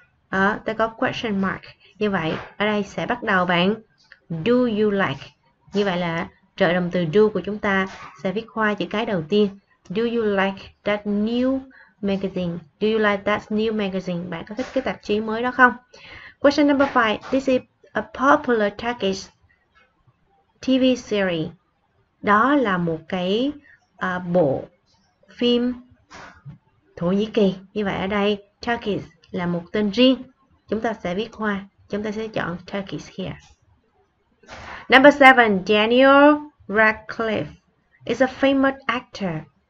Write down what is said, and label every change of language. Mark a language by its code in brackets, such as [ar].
[vi] Ta có question mark. Như vậy ở đây sẽ bắt đầu bạn [en] do you like. [vi] Như vậy là trợ động từ do của chúng ta sẽ viết hoa chữ cái đầu tiên. [en] Do you like that new magazine? Do you like that new magazine? [vi] Bạn có thích cái tạp chí mới đó không? [en] Question number 5, this is a popular Turkish TV series. [vi] Đó là một cái bộ phim Thổ Nhĩ Kỳ. Như vậy ở đây Turkish là một tên riêng. Chúng ta sẽ viết hoa. Chúng ta sẽ chọn [en] Turkish here. Number 7, Daniel Radcliffe is a famous actor.